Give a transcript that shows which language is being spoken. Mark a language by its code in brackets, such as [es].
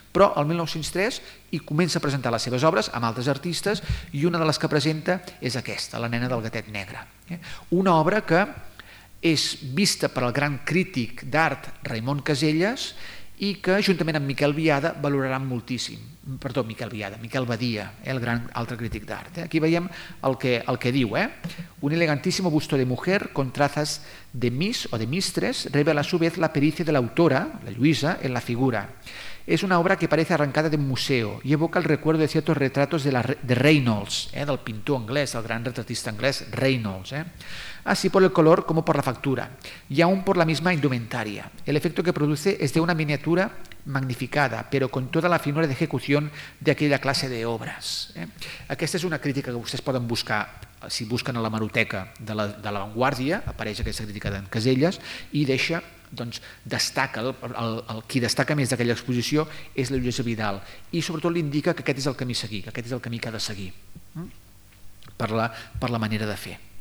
[ca] Però el 1903 hi comença a presentar les seves obres amb altres artistes, i una de les que presenta és aquesta, La nena del gatet negre. Una obra que és vista per al gran crític d'art Raimon Casellas, i que juntament amb Miquel Biada valoraran moltíssim. Perdó, Miquel Biada, Miquel Badia, el gran altre crític d'art. Aquí veiem el que diu. [es] Un elegantísimo busto de mujer con trazas de miss o de mistress revela a su vez la pericia de la autora, la Lluïsa, en la figura. Es una obra que parece arrancada de un museo y evoca el recuerdo de ciertos retratos de Reynolds, [ca] del pintor anglès, el gran retratista anglès Reynolds. [es] Así por el color como por la factura y aún por la misma indumentaria. El efecto que produce es de una miniatura magnificada, pero con toda la finura de ejecución de aquella clase de obras. [ca] Aquesta és una crítica que vostès poden buscar, si busquen a la Hemeroteca de la Vanguardia, apareix aquesta crítica d'en Casellas, i deixa, doncs, destaca, el qui destaca més d'aquella exposició és la Lluïsa Vidal, i sobretot li indica que aquest és el camí a seguir, que aquest és el camí que ha de seguir per la manera de fer.